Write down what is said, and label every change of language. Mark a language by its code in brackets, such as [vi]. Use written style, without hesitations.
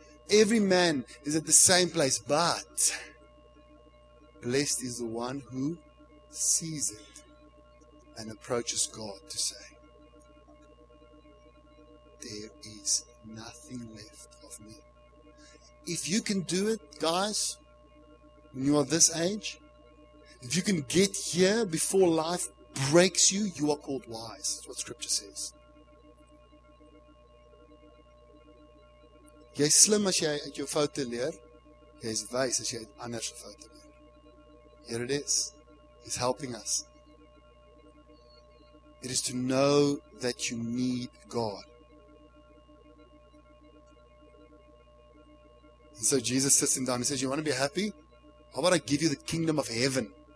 [en] Every man is at the same place, but blessed is the one who sees it and approaches God to say, there is nothing left of me. If you can do it, guys, when you are this age, if you can get here before life breaks you, you are called wise. That's what Scripture says. [af] Jy is slim as jy uit jou foute leer. Jy is wys as jy uit ander se foute leer. [en] Here it is. He's helping us. It is to know that you need God. And so Jesus sits him down and says, you want to be happy? How about I give you the kingdom of heaven?